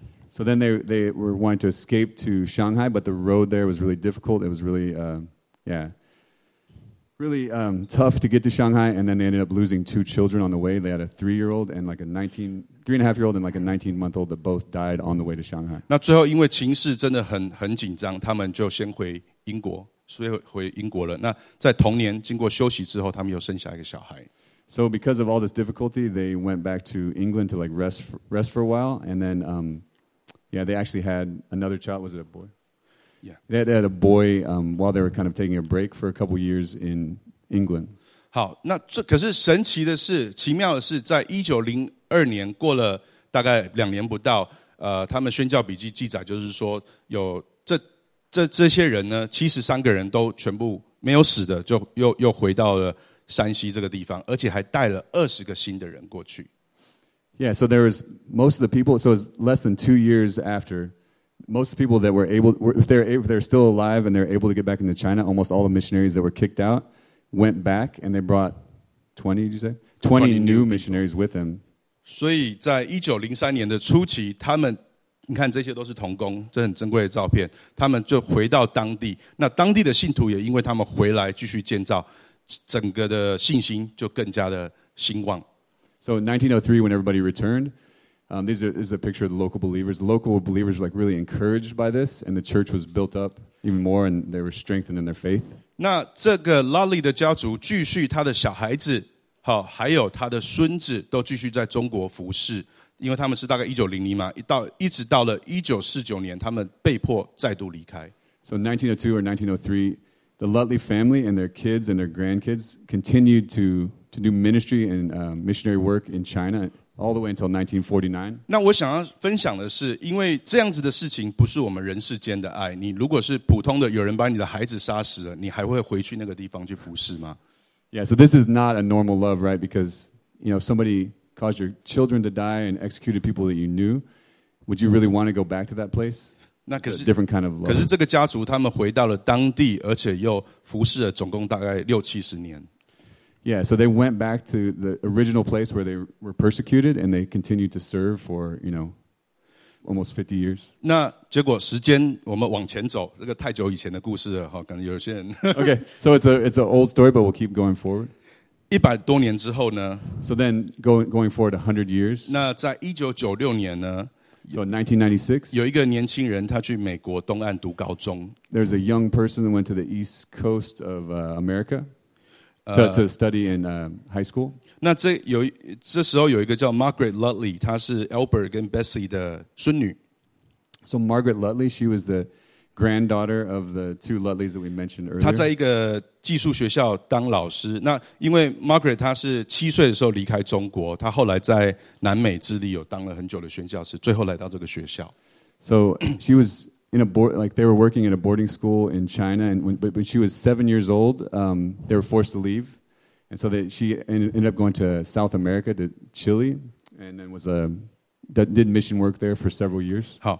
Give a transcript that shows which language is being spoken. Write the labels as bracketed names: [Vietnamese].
[English] So then they were wanting to escape to Shanghai, but the road there was really difficult. It was really tough to get to Shanghai, and then they ended up losing two children on the way. They had a three-year-old and like a 3.5-year-old and like a 19-month-old that both died on the way to Shanghai. [Chinese] 那最后因为情势真的很紧张，他们就先回英国，所以回英国了。那在同年经过休息之后，他们又生下一个小孩。 [English] So because of all this difficulty, they went back to England to like rest for a while, and then they actually had another child. Was it a boy? Yeah. They had a boy while they were kind of taking a break for a couple years in England. [Chinese] 好，那这可是神奇的是，奇妙的是，在1902年过了大概两年不到，他们宣教笔记记载就是说，有这些人呢，73个人都全部没有死的，就又回到了山西这个地方，而且还带了20个新的人过去。 [English] Yeah, so there was most of the people. So it's less than 2 years after. Most of the people that were able, if they're still alive and they're able to get back into China, almost all the missionaries that were kicked out went back, and they brought 20, did you say? 20 new missionaries with them. [Chinese] 所以在1903年的初期，他们，你看这些都是同工，这很珍贵的照片，他们就回到当地，那当地的信徒也因为他们回来继续建造，整个的信心就更加的兴旺。 [English] So in 1903, when everybody returned, this is a picture of the local believers. The local believers were like really encouraged by this, and the church was built up even more, and they were strengthened in their faith. [Chinese] 那这个 Lutley 的家族继续他的小孩子，好，还有他的孙子都继续在中国服侍，因为他们是大概1900嘛，一直到了1949年，他们被迫再度离开。 [English] So 1902 or 1903, the Lutley family and their kids and their grandkids continued to do ministry and missionary work in China. All the way until 1949. [Chinese] 那我想要分享的是，因为这样子的事情不是我们人世间的爱。你如果是普通的，有人把你的孩子杀死了，你还会回去那个地方去服侍吗？ [English] Yeah, so this is not a normal love, right? Because you know, if somebody caused your children to die and executed people that you knew, would you really want to go back to that place? [Chinese] 那可是 [English] a different kind of love. [Chinese] 可是这个家族他们回到了当地，而且又服侍了总共大概六七十年。 [English] Yeah, so they went back to the original place where they were persecuted, and they continued to serve for, you know, almost 50 years. [Chinese] 那结果时间我们往前走，这个太久以前的故事了，好，可能有些人。 [English] Okay, so it's an old story, but we'll keep going forward. [Chinese] 一百多年之后呢 [English] ？So then going forward 100 years. [Chinese] 那在1996年呢 [English] ？So 1996. [Chinese] 有一个年轻人他去美国东岸读高中。 [English] There's a young person who went to the East Coast of America. to study in high school. [Chinese] 那这时候有一个叫 Margaret Lutley, 她是 Albert 跟 Bessie 的孙女。 [English] So Margaret Lutley, she was the granddaughter of the two Lutleys that we mentioned earlier. [Chinese] 她在一个技术学校当老师。那因为 Margaret 她是七岁的时候离开中国，她后来在南美智利有当了很久的宣教士，最后来到这个学校。 [English] So she was in a board, like they were working in a boarding school in China, and when she was 7 years old, they were forced to leave, and so that she ended up going to South America, to Chile, and then was did mission work there for several years.